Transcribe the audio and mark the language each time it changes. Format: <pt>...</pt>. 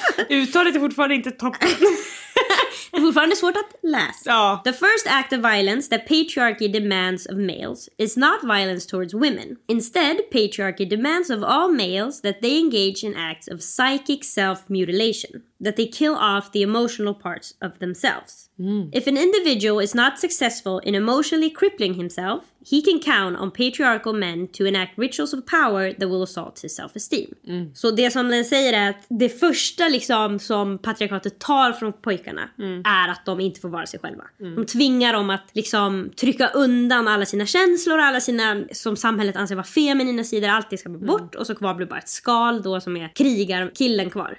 <sv>Uttalet är fortfarande inte toppen. Det är fortfarande svårt att läsa. Ja.</sv> <en>The first act of violence that patriarchy demands of males is not violence towards women. Instead, patriarchy demands of all males that they engage in acts of psychic self-mutilation, that they kill off the emotional parts of themselves. If an individual is not successful in emotionally crippling himself, he can count on patriarchal men to enact rituals of power that will assault his self-esteem. Mm.</en> <sv>Så det som den säger är att det första liksom som patriarkatet tar från pojkarna är att de inte får vara sig själva. Mm. De tvingar dem att liksom trycka undan alla sina känslor, alla sina som samhället anser vara feminina sidor, allt det ska bli bort och så kvar blir bara ett skal då som är krigar killen kvar.</sv>